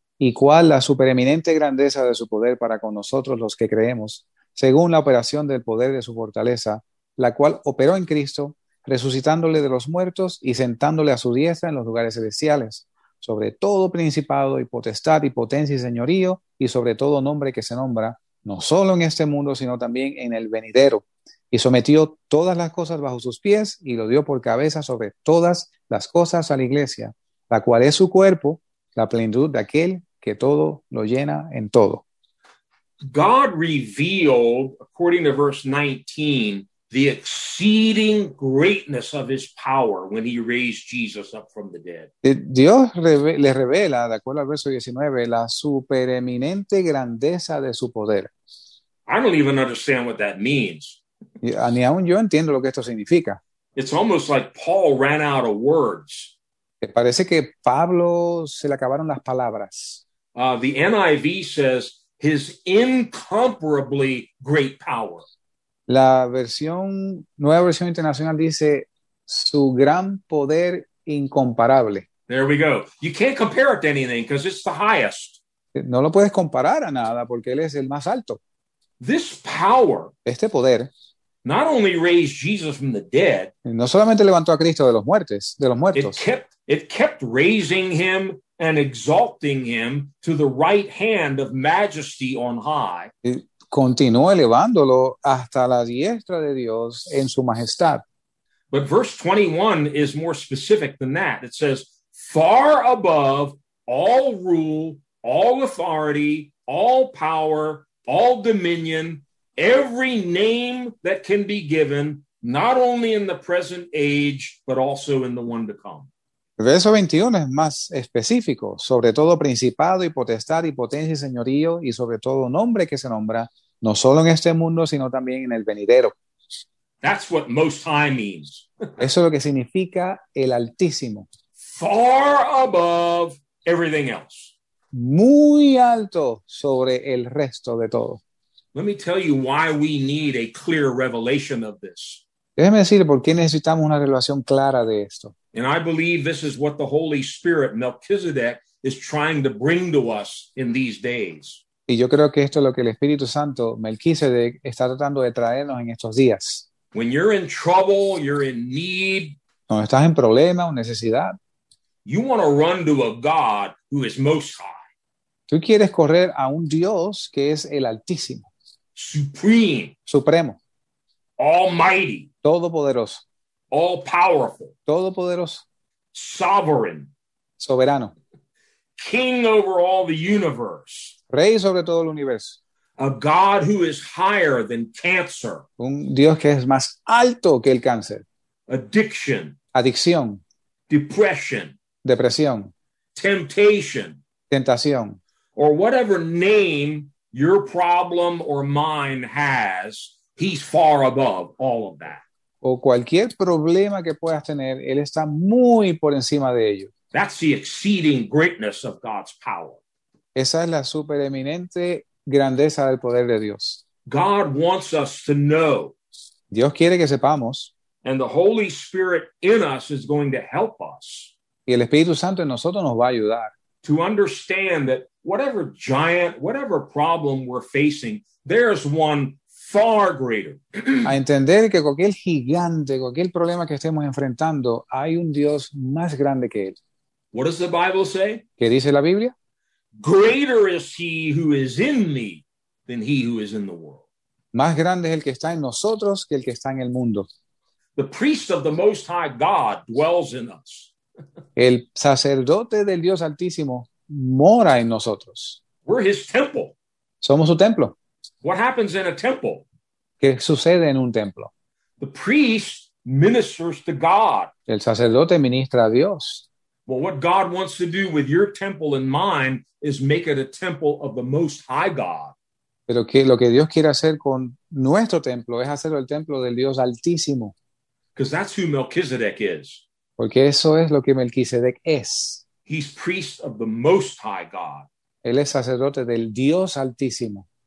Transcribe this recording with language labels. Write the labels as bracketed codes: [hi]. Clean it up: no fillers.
[es] y cuál la supereminente grandeza de su poder para con nosotros los que creemos, según la operación del poder de su fortaleza, la cual operó en Cristo, resucitándole de los muertos y sentándole a su diestra en los lugares celestiales, sobre todo principado y potestad y potencia y señorío, y sobre todo nombre que se nombra, no solo en este mundo, sino también en el venidero. Y sometió todas las cosas bajo sus pies y lo dio por cabeza sobre todas las cosas a la iglesia, la cual es su cuerpo, la plenitud de aquel que todo lo llena en todo. [en] God revealed, according to verse 19, the exceeding greatness of his power when he raised Jesus up from the dead. [es] Dios le revela, de acuerdo al verso 19, la supereminente grandeza de su poder. [en] I don't even understand what that means. [es] Ni aún yo entiendo lo que esto significa. [en] It's almost like Paul ran out of words. [es] Parece que Pablo se le acabaron las palabras. [en] The NIV says his incomparably great power. [es] La versión, Nueva Versión Internacional dice su gran poder incomparable. [en] There we go. You can't compare it to anything because it's the highest. [es] No lo puedes comparar a nada porque él es el más alto. [en] This power, [es] este poder, [en] not only raised Jesus from the dead, [es] no solamente levantó a Cristo de los muertos, [en] it kept raising him and exalting him to the right hand of majesty on high. [es] Continuó elevándolo hasta la diestra de Dios en su majestad. [en] But verse 21 is more specific than that. It says, far above all rule, all authority, all power, all dominion, every name that can be given, not only in the present age, but also in the one to come. [es] Verso 21 es más específico, sobre todo principado y potestad y potencia y señorío y sobre todo nombre que se nombra, no solo en este mundo, sino también en el venidero. [en] That's what most high means. [es] Eso es lo que significa el Altísimo. [en] Far above everything else. [es] Muy alto sobre el resto de todo. [en] Let me tell you why we need a clear revelation of this. [es] Déjeme decirle por qué necesitamos una revelación clara de esto. [en] And I believe this is what the Holy Spirit, Melchizedek, is trying to bring to us in these days. [es] Y yo creo que esto es lo que el Espíritu Santo, Melchizedek, está tratando de traernos en estos días. [en] When you're in trouble, you're in need. [es] Cuando estás en problema o necesidad. [en] You want to run to a God who is most high. [es] Tú quieres correr a un Dios que es el Altísimo. [en] Supreme. [es] Supremo. [en] Almighty. [es] Todopoderoso. [en] All powerful. [es] Todopoderoso. [en] Sovereign. [es] Soberano. [en] King over all the universe. [es] Rey sobre todo el universo. [en] A God who is higher than cancer. [es] Un Dios que es más alto que el cáncer. [en] Addiction. [es] Adicción. [en] Depression. [es] Depresión. [en] Temptation. [es] Tentación. [en] Or whatever name your problem or mine has, he's far above all of that. [es] O cualquier problema que puedas tener, él está muy por encima de ello. [en] That's the exceeding greatness of God's power. [es] Esa es la supereminente grandeza del poder de Dios. [en] God wants us to know. [es] Dios quiere que sepamos. [en] And the Holy Spirit in us is going to help us. [es] Y el Espíritu Santo en nosotros nos va a ayudar. [en] To understand that whatever giant, whatever problem we're facing, there's one far greater. [es] A entender que cualquier gigante, cualquier problema que estemos enfrentando, hay un Dios más grande que él. [en] What does the Bible say? [es] ¿Qué dice la Biblia? [en] Greater is he who is in me than he who is in the world. [es] Más grande es el que está en nosotros que el que está en el mundo. [en] The priest of the Most High God dwells in us. [es] El sacerdote del Dios Altísimo mora en nosotros. [en] We're his temple. [es] Somos su templo. [en] What happens in a temple? [es] ¿Qué sucede en un templo? [en] The priest ministers to God. [es] El sacerdote ministra a Dios. [en] Well, what God wants to do with your temple and mine is make it a temple of the Most High God. [es] Pero que lo que Dios quiere hacer con nuestro templo es hacerlo el templo del Dios Altísimo. [en] Because that's who Melchizedek is. [es] Porque eso es lo que Melquisedec es. [en] He's priest of the Most High God. [es] Él es sacerdote del Dios Altísimo.